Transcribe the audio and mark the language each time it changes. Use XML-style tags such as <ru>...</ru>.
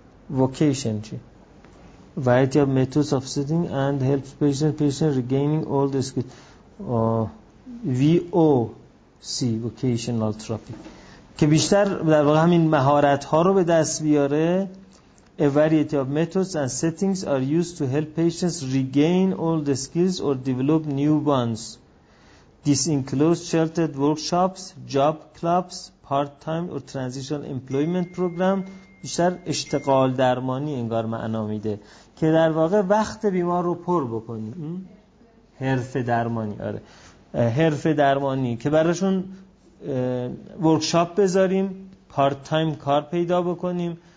<en>vocation</en> <fa>چی؟</fa> <en>Variety of methods of sitting and helps patient regaining all the skills. VOC vocational therapy.</en> <fa>که بیشتر در واقع همین مهارت ها رو به دست بیاره.</fa> <en>A variety of methods and settings are used to help patients regain all the skills or develop new ones. This includes sheltered workshops, job clubs, part-time or transitional employment program.</en> <fa>بیشتر اشتغال درمانی انگار معنا میده که در واقع وقت بیمار رو پر بکنی. حرفه درمانی، آره حرفه درمانی، که براشون ورکشاپ بذاریم، پارت تایم کار پیدا بکنیم.</fa>